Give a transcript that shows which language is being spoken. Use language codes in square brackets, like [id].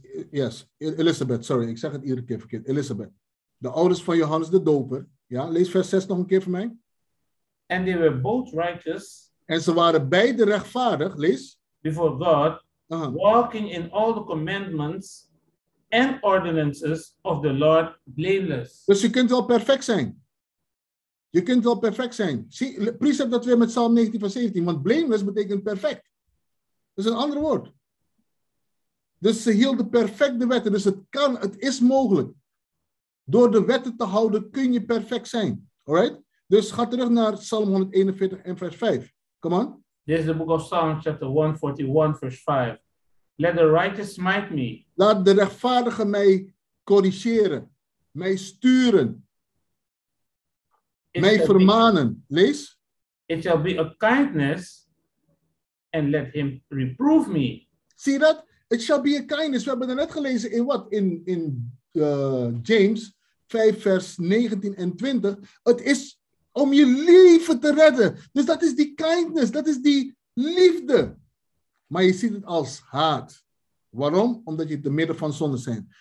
[nl] Yes, Elizabeth, sorry, ik zeg het iedere keer verkeerd. Elizabeth, de ouders van Johannes de Doper. Ja, lees vers 6 nog een keer voor mij. [en] And they were both righteous. [nl] En ze waren beide rechtvaardig, lees. [en] Before God, walking in all the commandments and ordinances of the Lord, blameless. [nl] Dus je kunt wel perfect zijn. Je kunt wel perfect zijn. Zie, precept dat weer met Psalm 19 van 17, want blameless betekent perfect. Dat is een ander woord. Dus ze hielden perfect de wetten. Dus het kan, het is mogelijk. Door de wetten te houden kun je perfect zijn. [en] All right? [nl] Dus ga terug naar Psalm 141 en vers 5. [en] Come on. This is the book of Psalms, chapter 141, verse 5. Let the righteous smite me. [nl] Laat de rechtvaardige mij corrigeren. Mij sturen. It mij vermanen. Lees. [en] It shall be a kindness and let him reprove me. [nl] Zie dat? [en] It shall be a kindness. [nl] We hebben het net gelezen in wat? In James 5, vers 19 en 20. Het is om je leven te redden. Dus dat is die kindness. Dat is die liefde. Maar je ziet het als haat. Waarom? Omdat je te midden van zonde bent.